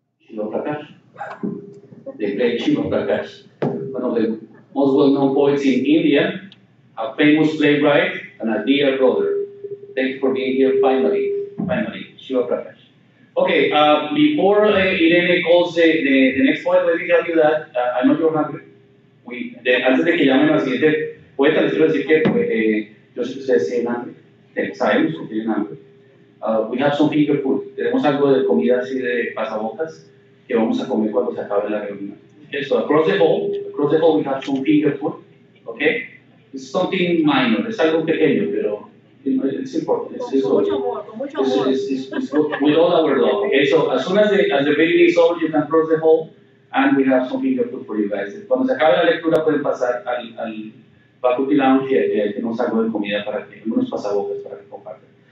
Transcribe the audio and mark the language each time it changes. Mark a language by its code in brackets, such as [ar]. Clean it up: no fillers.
[en] The great Shivaprakash, one of the most well-known poets in India, a famous playwright, and a dear brother. Thanks for being here finally, Shivaprakash. Okay, before Irene calls the next poet, let me tell you that, I know you're hungry. [es] Antes de que llamen al siguiente poeta, les quiero decir que yo sé que ustedes tienen hambre. Sabemos que tienen hambre. [en] We have some finger food. [es] Tenemos algo de comida así de pasabocas que vamos a comer cuando se acabe la reunión. [en] Okay, so across the hall we have some finger food, okay? It's something minor, [es] es algo pequeño, pero [en] it's important. With all our love, okay? So as soon as the baby is over, you can cross the hall, and we have some finger food for you guys. [es] Cuando se acabe la lectura, pueden pasar al faculty lounge y ahí tenemos algo de comida para que, algunos pasabocas para que compartan.